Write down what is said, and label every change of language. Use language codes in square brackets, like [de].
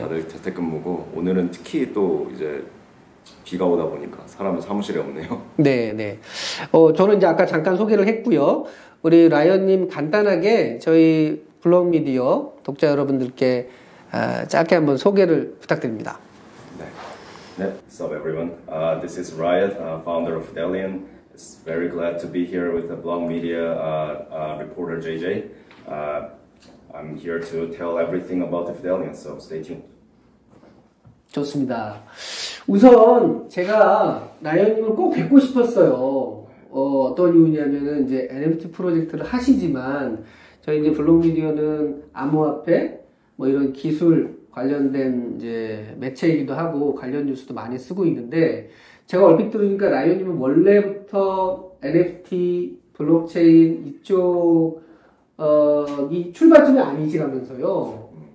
[ko] 다들 재택근무고, 오늘은 특히 또 이제 비가 오다 보니까 사람은 사무실에 없네요. 네. 저는 이제 아까 잠깐 소개를 했고요. 우리 라이언님 간단하게 저희 블록미디어 독자 여러분들께 짧게 한번 소개를 부탁드립니다. [en] What's up, everyone? This is Riot, founder of Fidelion. It's very glad to be here with the Blog Media reporter JJ. I'm here to tell everything about the Fidelion, so stay tuned. [ko] 좋습니다. 우선 제가 라이언님을 꼭 뵙고 싶었어요. 어떤 이유냐면은 이제 NFT 프로젝트를 하시지만 저희 이제 블록미디어는 암호화폐 뭐 이런 기술 관련된 이제 매체이기도 하고 관련 뉴스도 많이 쓰고 있는데 제가 얼핏 들으니까 라이언님은 원래부터 NFT 블록체인 이쪽 이 출발점이 아니시라면서요.